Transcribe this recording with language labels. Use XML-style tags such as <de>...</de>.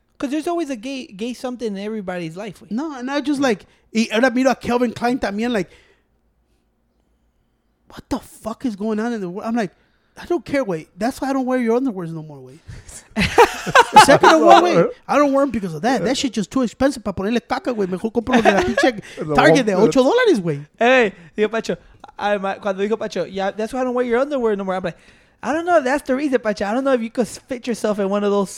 <en>because there's always a gay something in everybody's life, wait. No, and I just like, and I meet a Calvin Klein también, like, what the fuck is going on in the world? I'm like, I don't care, wait. That's why I don't wear your underwears no more, wait. Second of all, wait. I don't wear them because of that. Yeah. That shit just too expensive.</en> <es>Para ponerle caca, wey. Mejor compro de la pinche Target de $8, wey. Hey, digo, Pacho. Cuando digo,</es> <en>Pacho, yeah, that's why I don't wear your underwear no more. I'm like, I don't know if that's the reason, Pacho. I don't know if you could fit yourself in one of those.</en>